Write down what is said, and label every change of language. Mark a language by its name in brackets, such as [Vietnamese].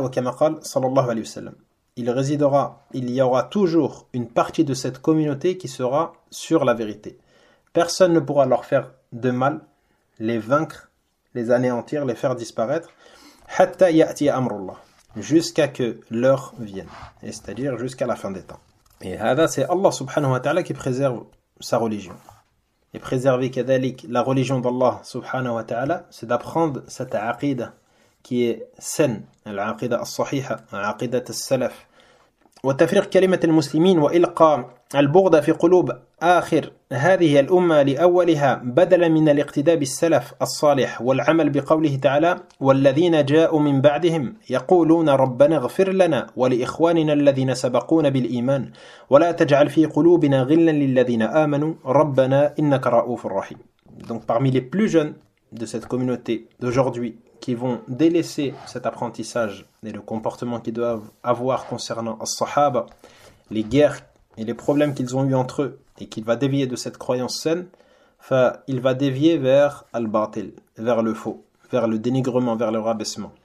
[French] Et comme a dit sallallahu alayhi wa sallam, il y aura toujours une partie de cette communauté qui sera sur la vérité. Personne ne pourra leur faire de mal, les vaincre, les anéantir, les faire disparaître, [Arabic] hatta ya'tiya amrullah, [French] jusqu'à que l'heure vienne, c'est-à-dire jusqu'à la fin des temps. Et [Arabic] hada, [French] c'est Allah subhanahu wa ta'ala qui préserve sa religion. Et préserver [Arabic] kadhalik [French] la religion d'Allah subhanahu wa ta'ala, c'est d'apprendre cette aqidah qui est saine, [Arabic] العقيدة الصحيحة عقيدة السلف وتفريق كلمة المسلمين وإلقاء البغض في قلوب آخر هذه الأمة لأولها بدلا من الاقتداء بالسلف الصالح والعمل بقوله تعالى والذين جاءوا من بعدهم يقولون ربنا اغفر لنا ولإخواننا الذين سبقونا بالإيمان ولا تجعل في قلوبنا غلا للذين آمنوا ربنا إنك رؤوف رحيم. [French] Donc parmi les plus jeunes de cette communauté d'aujourd'hui qui vont délaisser cet apprentissage et le comportement qu'ils doivent avoir concernant As-Sahaba, les guerres et les problèmes qu'ils ont eus entre eux, et qu'il va dévier de cette croyance saine, il va dévier vers Al-Batil, vers le faux, vers le dénigrement, vers le rabaissement.